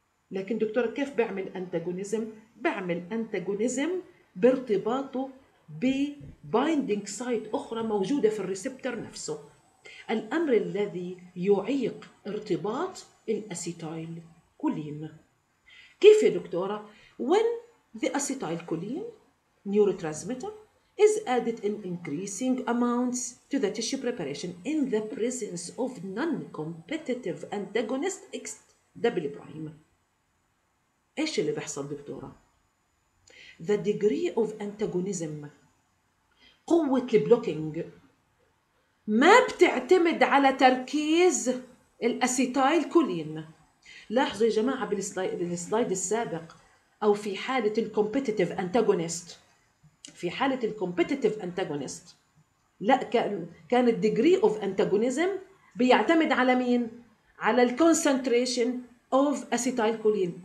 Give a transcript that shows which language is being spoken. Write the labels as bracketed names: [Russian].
[Arabic] لكن دكتور كيف بعمل انتاجونيزم؟ بعمل انتاجونيزم بارتباطه ببايندينج سايت اخرى موجوده في الريسبتر نفسه، الامر الذي يعيق ارتباط الاسيتايل كولين. كيف يا دكتوره؟ [English] when the acetyl choline neurotransmitter is added in increasing amounts to the tissue preparation in the presence of non-competitive antagonist X double prime. [Arabic] إيش اللي بحصل دكتورة؟ [English] The degree of antagonism، [Arabic] قوة البلوكينج، ما بتعتمد على تركيز الأسيتايل كولين. لاحظوا يا جماعة بالسلايد السابق، أو في حالة الكومبيتيتيف أنتاجونيست، في حالة الكومبيتيتيف أنتاجونيست لا، كان الديجري أوف أنتاجونيزم بيعتمد على مين؟ على الكونسنتريشن أوف أسيتايل كولين.